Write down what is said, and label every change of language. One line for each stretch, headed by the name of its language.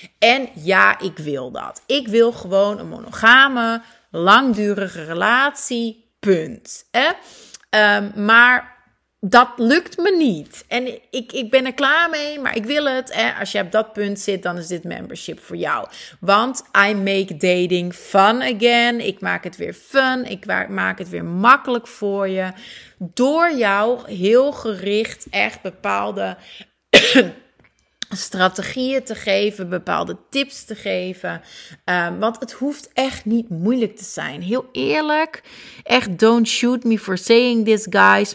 Dutch: En ja, ik wil dat. Ik wil gewoon een monogame, langdurige relatie, punt. Maar dat lukt me niet. En ik ben er klaar mee, maar ik wil het. Als je op dat punt zit, dan is dit membership voor jou. Want
English: I make dating fun again.
Dutch: Ik maak het weer fun. Ik maak het weer makkelijk voor je. Door jou heel gericht echt bepaalde strategieën te geven, bepaalde tips te geven. Want het hoeft echt niet moeilijk te zijn. Heel eerlijk, echt
English: don't shoot me for saying this, guys.